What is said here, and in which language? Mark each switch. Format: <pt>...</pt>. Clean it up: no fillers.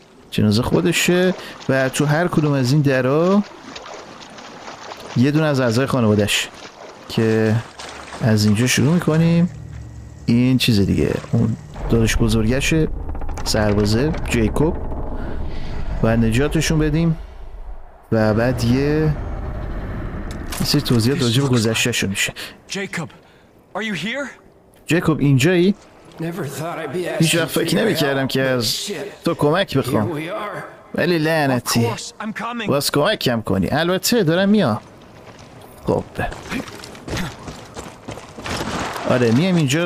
<fa>جنازه خودشه و تو هر کدوم از این درها یه دونه از اعضای خانوادش که از اینجا شروع میکنیم. این چیز دیگه، اون دادش بزرگشه، سربازه جیکوب، و نجاتشون بدیم. و بعد یه سری توضیحات راجع به گذشتهشون میشه.</fa> <en>Jacob, are you here?</en> <fa>جیکوب اینجایی؟ هیچ وقت فکر نمیکردم که از تو کمک بخوام، ولی لعنتی باز کمکم کنی. البته دارم میام. خب آره میام اینجا.</fa>